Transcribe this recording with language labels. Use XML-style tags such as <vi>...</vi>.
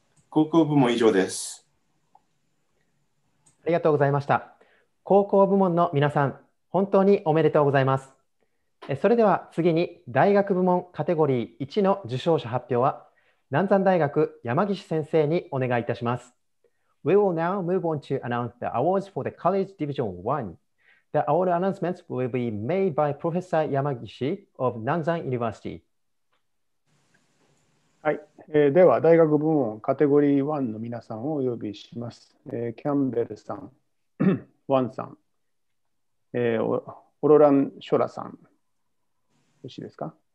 <ja>高校部門以上です。ありがとうございました。高校部門の皆さん、本当におめでとうございます。それでは次に大学部門カテゴリー1の受賞者発表は、南山大学山岸先生にお願いいたします。</ja> <en>We will now move on to announce the awards for the College Division 1. The award announcements will be made by Professor 山岸 of 南山 University.</en> <ja>はい、では大学部門カテゴリー1の皆さんをお呼びします。キャンベルさん、ワンさん、オロラン・ショラさん、よろしいですか？</ja>